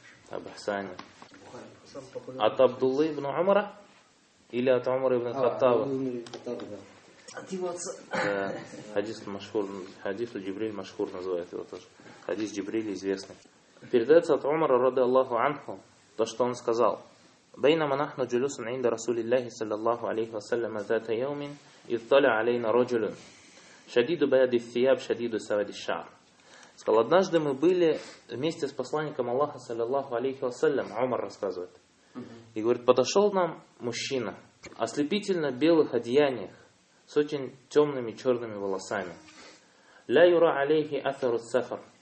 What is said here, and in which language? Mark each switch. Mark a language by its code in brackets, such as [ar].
[ru] Об ихсане. От Абдуллы ибн Умара? Или от Умара ибн Хаттаба? От его отца. Да. Хадис Машхур, хадис Джибриль Машхур называет его тоже. Хадис Джибриля известный. Передается от Умара, рады Аллаху Анху, то, что он сказал. [ar] بينما نحن جلوس عند رسول الله صلى الله عليه وسلم ذات يوم إذ طلع علينا رجل شديد بياض الثياب شديد سواد الشعر. [ru] Сказал, однажды мы были вместе с посланником Аллаха [ar] صلى الله عليه وسلم, [ru] Умар рассказывает. И говорит, подошел нам мужчина ослепительно белых одеяниях с очень темными черными волосами. [ar] لا يرى عليه أثر السفر.